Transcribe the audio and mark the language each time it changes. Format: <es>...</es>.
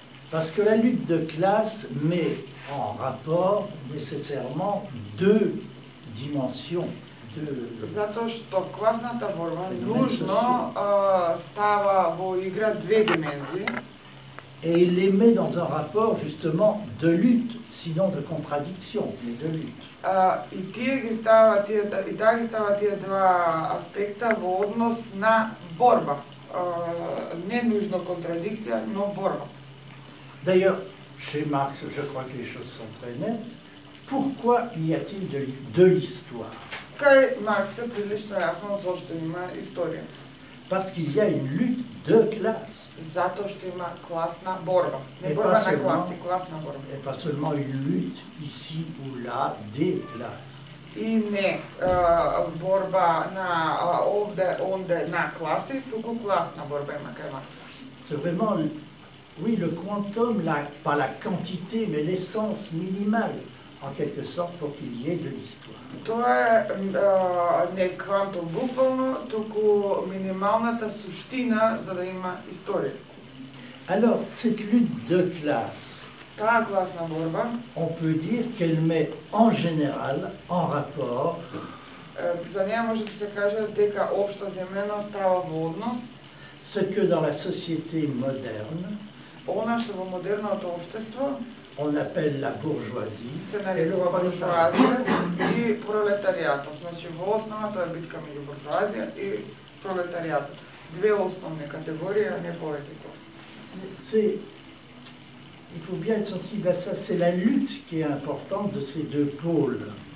<fr>Parce que la lutte de classe met en rapport nécessairement deux dimensions.</fr> <mk>Затоа што класната борба нужно става во игра две димензии.</mk> <fr>Et il les met dans un rapport justement de lutte, sinon de contradiction, mais de lutte.</fr> <mk>И таа ги става тие два аспекта во однос на борба. Не нужно контрадикција, но борба.</mk> <fr>D'ailleurs, chez Marx, je crois que les choses sont très nettes. Pourquoi y a-t-il de l'histoire?</fr> <mk>Кај Маркс е прилично јасно зошто има историја.</mk> <fr>Parce qu'il y a une lutte de classe.</fr> <mk>Затоа што има класна борба. Не борба на класи, класна борба.</mk> <fr>Et pas seulement une lutte ici ou là des classes.</fr> <mk>И не борба на овде, онде на класи, туку класна борба има кај Маркс.</mk> <fr>C'est vraiment Oui, le quantum, la, pas la quantité, mais l'essence minimale, en quelque sorte, pour qu'il y ait de l'histoire.</fr> <mk>То е не квантум буквално, туку минималната суштина за да има историја.</mk> <fr>Alors, cette lutte de classe,</fr> <mk>таа класна борба,</mk> <fr>on peut dire qu'elle met en général en rapport.</fr> <mk>За неа може да се каже дека општо земено става во однос.</mk> <fr>Ce que dans la société moderne,</fr> <mk>она што во модерното општество,</mk> <fr>on appelle la bourgeoisie,</fr> <mk>се нарекува буржуазија и пролетаријат. Значи во основа тоа е битка меѓу буржуазија и пролетаријат. Две основни категории, а не повеќе.</mk> <fr>C'est, il faut bien être sensible à ça, c'est la lutte qui est importante de ces deux pôles.</fr>